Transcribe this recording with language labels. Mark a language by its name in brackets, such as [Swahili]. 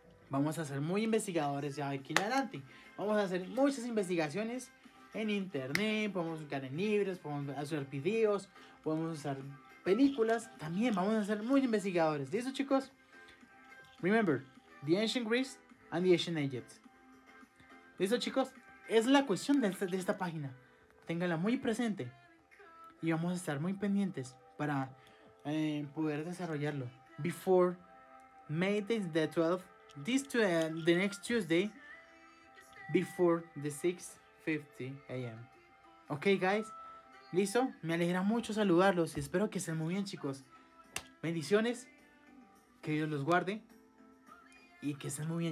[Spanish] Vamos a ser muy investigadores ya aquí en adelante. Vamos a hacer muchas investigaciones en internet, podemos buscar en libros, podemos hacer videos, podemos usar películas. También vamos a ser muy investigadores. ¿Listo, chicos? [English] Remember, the ancient Greece and the ancient Egypt. [Spanish] ¿Listo, chicos? Es la cuestión de esta página. Ténganla muy presente. Y vamos a estar muy pendientes para poder desarrollarlo. [English] Before May the 12th, the next Tuesday, before the 6:50 a.m. Ok, guys. [Spanish] ¿Listo? Me alegra mucho saludarlos y espero que estén muy bien, chicos. Bendiciones. Que Dios los guarde. Y que estén muy bien.